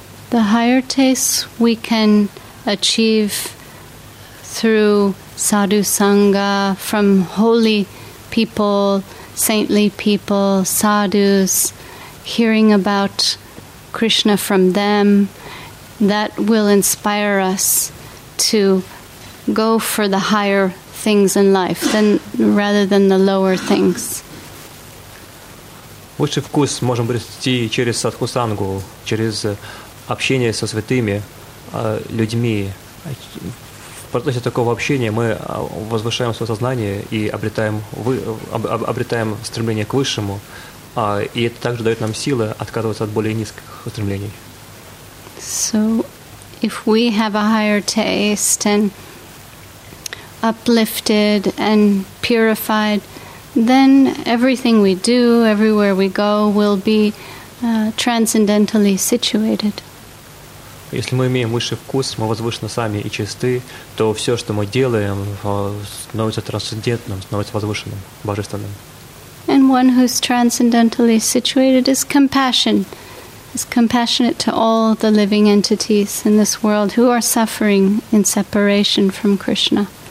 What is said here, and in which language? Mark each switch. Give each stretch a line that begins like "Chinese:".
English: The higher test we can achieve through sadhu sangha, from holy people, saintly people, sadhus, hearing about Krishna from them, that will inspire us to go for the higher things in life rather than the lower things.
Russian: Лучший вкус можем обрести через садху-сангу, через общение со святыми людьми. В процессе такого общения мы возвышаем свое сознание и обретаем стремление к высшему. И это также дает нам силы отказываться от более низких устремлений.
English: So, if we have a higher taste and uplifted and purified, then everything we do, everywhere we go, will be transcendentally situated.
Russian: Если мы имеем высший вкус, мы возвышены сами и чисты, то все, что мы делаем, становится трансцендентным, становится возвышенным, божественным.
English: And one who's transcendentally situated is compassion. Is compassionate to all the living entities in this world who are suffering in separation from Krishna.